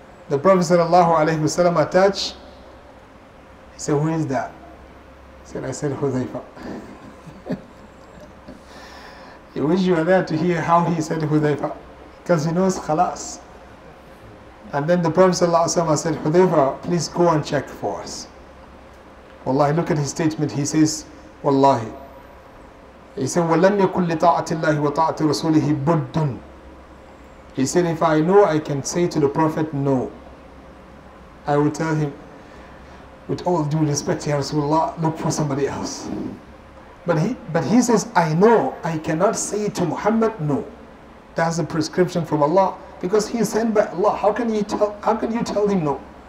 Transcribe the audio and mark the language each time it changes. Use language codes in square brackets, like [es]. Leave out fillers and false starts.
[en] The Prophet sallallahu alayhi wasallam attached." He said, "Who is that?" He said, "I said Hudhayfa." I wish you were there to hear how he said Hudhayfa, because he knows khalas. And then the Prophet sallallahu alayhi wasallam said, "Hudhayfa, please go and check for us." Wallahi, look at his statement. He says, "Wallahi." [ar] He said, "وَلَمْ يَكُلْ لِطَاعَةِ اللَّهِ وَطَاعَةِ رَسُولِهِ بُدٌّ." [en] He said, "If I know, I can say to the Prophet, no. I will tell him, with all due respect, Ya Rasulullah, look for somebody else." But he says, "I know, I cannot say to Muhammad, no." That's a prescription from Allah, because he is sent by Allah. How can you tell him no?